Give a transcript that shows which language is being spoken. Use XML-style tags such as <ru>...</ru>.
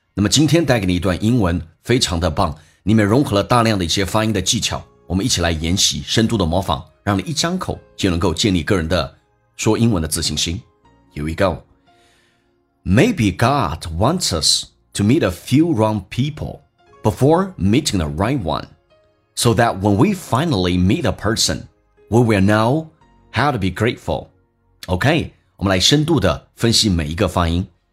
<zh>那么今天带给你一段英文，非常的棒，里面融合了大量的一些发音的技巧，我们一起来研习，深度的模仿，让你一张口就能够建立个人的说英文的自信心。</zh> <en>Here we go. Maybe God wants us to meet a few wrong people before meeting the right one, so that when we finally meet a person, we will know how to be grateful. Okay.</en> <zh>我们来深度的分析每一个发音。</zh>